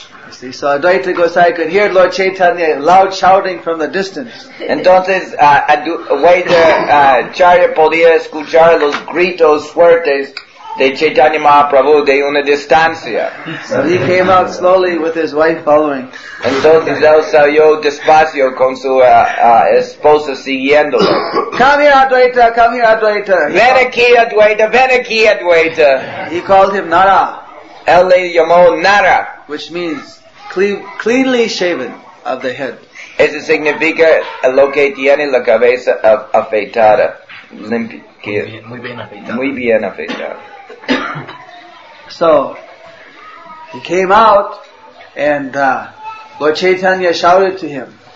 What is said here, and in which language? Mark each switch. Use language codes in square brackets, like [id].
[en] See, so Advaita Gosai could hear Lord Chaitanya loud shouting from the distance. [es] Entonces, Charya podía escuchar los gritos fuertes de Chaitanya Mahaprabhu de una distancia. [en] So he came out slowly with his wife following. [es] Entonces, él salió despacio con su esposa siguiéndolo. [en] Come here, Advaita. [es] Ven aquí, Advaita. [en] He called him Nara. [es] Él le llamó Nara. [en] Which means cleanly shaven of the head. [es] Eso significa lo que tiene la cabeza afeitada. Muy bien afeitada. [en] So, he came out and Lord Chaitanya shouted to him.